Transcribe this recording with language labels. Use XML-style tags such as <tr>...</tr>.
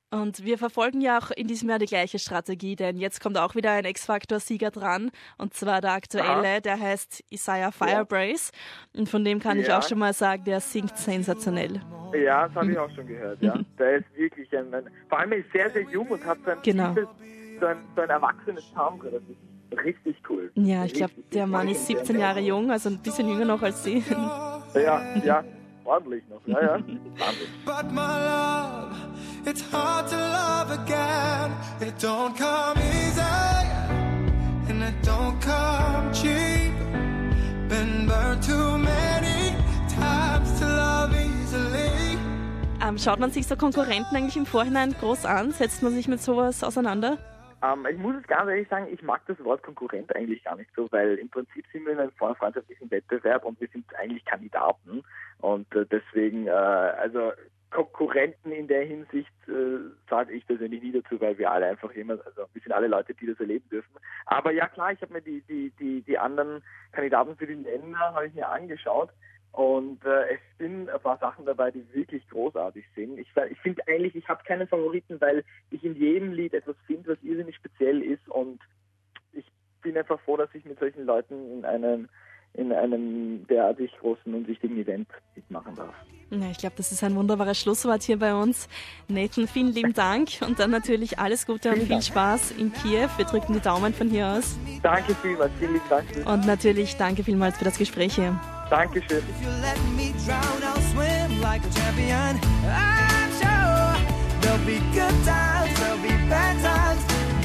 <de>Und wir verfolgen ja auch in diesem Jahr die gleiche Strategie, denn jetzt kommt auch wieder ein X-Factor-Sieger dran und zwar der aktuelle, der heißt Isaiah Firebrace und von dem kann ich auch schon mal sagen, der singt sensationell. Ja, das habe ich auch schon gehört, ja. Der ist wirklich ein, vor allem ist sehr, sehr jung und hat so ein, so ein erwachsenes Timbre, das ist richtig cool. Ja, ich glaube, der Mann ist 17 Jahre jung, also ein bisschen jünger noch als sie. Ja, ordentlich noch. Ja, ordentlich.</de> <en>But my love, it's hard to love again. It don't come easy and it don't come cheap. Been burned too many times to love easily.</en> <de>Schaut man sich so Konkurrenten eigentlich im Vorhinein groß an? Setzt man sich mit sowas auseinander? Ich muss es ganz ehrlich sagen, ich mag das Wort Konkurrent eigentlich gar nicht so, weil im Prinzip sind wir in einem freundschaftlichen Wettbewerb und wir sind eigentlich Kandidaten. Und deswegen, also Konkurrenten in der Hinsicht sage ich persönlich nie dazu, weil wir alle einfach immer, also wir sind alle Leute, die das erleben dürfen. Aber ja klar, ich habe mir die anderen Kandidaten für die Länder habe ich mir angeschaut. Und es sind ein paar Sachen dabei, die wirklich großartig sind. Ich finde eigentlich, ich habe keine Favoriten, weil ich in jedem Lied etwas finde, was irrsinnig speziell ist. Und ich bin einfach froh, dass ich mit solchen Leuten in einem derartig großen und wichtigen Event mitmachen darf. Ja, ich glaube, das ist ein wunderbares Schlusswort hier bei uns. Nathan, vielen lieben Dank und dann natürlich alles Gute und viel Spaß in Kiew. Wir drücken die Daumen von hier aus. Danke vielmals, vielen lieben Dank. Und natürlich danke vielmals für das Gespräch hier. Dankeschön.</de> <en>If you let me drown, I'll swim like a champion. I'm sure there'll be good times, there'll be bad times.</en>